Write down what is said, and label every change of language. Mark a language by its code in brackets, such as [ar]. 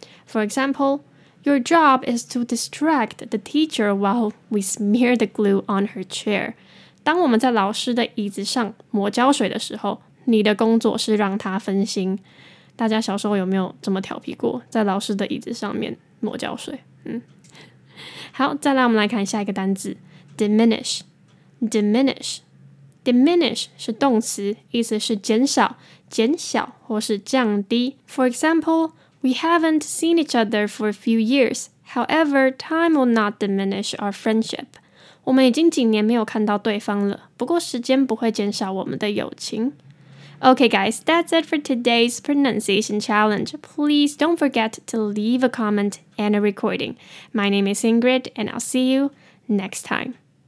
[en] For example,Your job is to distract the teacher while we smear the glue on her chair. [zh] 当我们在老师的椅子上抹胶水的时候，你的工作是让她分心。大家小时候有没有这么调皮过，在老师的椅子上面抹胶水？好，再来我们来看下一个单字 ,diminish。diminish 是动词，意思是减少、减小或是降低。 [en] For example,We haven't seen each other for a few years. However, time will not diminish our friendship. [zh] 我们已经几年没有看到对方了，不过时间不会减少我们的友情。 [en] Okay, guys, that's it for today's pronunciation challenge. Please don't forget to leave a comment and a recording. My name is Ingrid, and I'll see you next time.